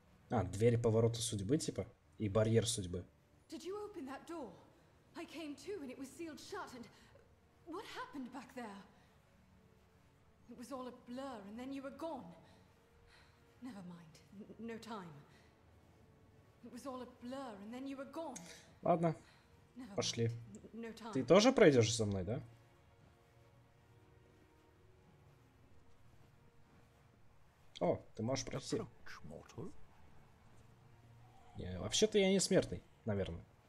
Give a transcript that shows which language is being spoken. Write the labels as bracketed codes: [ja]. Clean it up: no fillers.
[ru] А, дверь поворота судьбы, типа, и барьер судьбы. [en] Did you open that door? I came to, and it was sealed shut, and... What happened back there? It was all a blur, and then you were gone. Never mind, no time. It was all a blur, and then you were gone. [ru] Ладно, пошли. Ты тоже пройдешь со мной, да? О, ты можешь пройти. Не, вообще-то я не смертный, наверное.